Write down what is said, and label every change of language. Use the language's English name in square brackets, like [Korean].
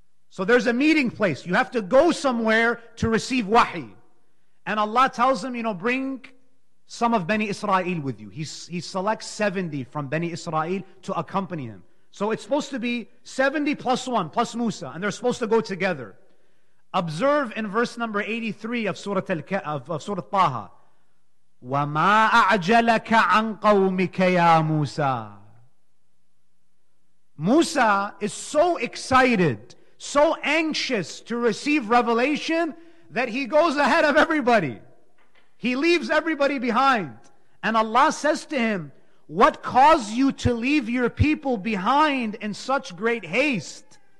[English] So there's a meeting place. You have to go somewhere to receive wahi. And Allah tells him, you know, bring some of Bani Israel with you. He selects 70 from Bani Israel to accompany him. So it's supposed to be 70 plus 1, plus Musa, and they're supposed to go together. Observe in verse number 83 of Surah Taha. [Arabic] وَمَا أَعْجَلَكَ عَنْ قَوْمِكَ يَا مُوسَى. [English] Musa is so excited, so anxious to receive revelation that he goes ahead of everybody. He leaves everybody behind. And Allah says to him, "What caused you to leave your people behind in such great haste?